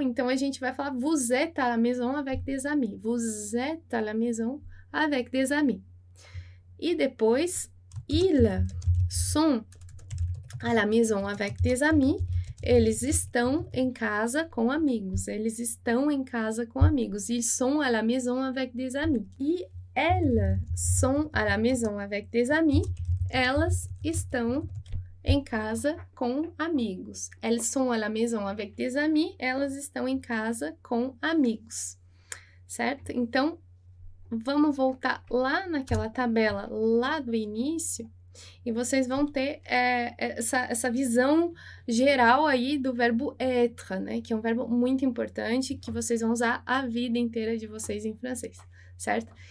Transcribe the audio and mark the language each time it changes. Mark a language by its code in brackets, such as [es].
[pt] Então a gente vai falar [fr] vous êtes à la maison avec des amis. Vous êtes à la maison avec des amis. [pt] E depois, [fr] ils sont à la maison avec des amis. [pt] Eles estão em casa com amigos. Eles estão em casa com amigos. [fr] Ils sont à la maison avec des amis. [pt] E [fr] elles sont à la maison avec des amis. [pt] Elas estão em casa com amigos. [fr] Elles sont à la maison avec des amis. [pt] Elas estão em casa com amigos. Certo? Então, vamos voltar lá naquela tabela, lá do início. E vocês vão ter essa visão geral aí do verbo être, né? Que é um verbo muito importante que vocês vão usar a vida inteira de vocês em francês, certo?